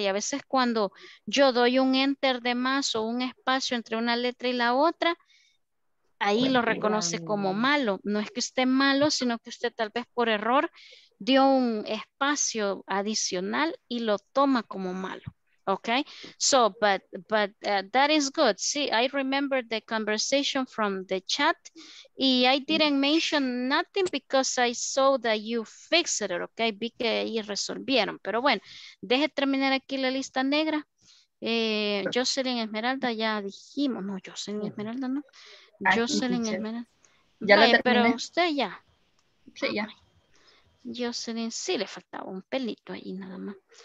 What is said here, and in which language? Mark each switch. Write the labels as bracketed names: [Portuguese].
[Spanish] Y a veces cuando yo doy un enter de más o un espacio entre una letra y la otra, ahí lo reconoce como malo. No es que esté malo, sino que usted tal vez por error dio un espacio adicional y lo toma como malo. [English] Okay. So, but that is good. See, I remember the conversation from the chat. Y I didn't mention nothing because I saw that you fixed it. [Spanish] Okay. Vi que ahí resolvieron. Pero bueno, deje terminar aquí la lista negra. Jocelyn Esmeralda, ya dijimos. No, Jocelyn Esmeralda, no. Jocelyn Esmeralda. Ya la terminé. Pero usted ya. Sí, ya. Jocelyn, sí, le faltaba un pelito ahí nada más.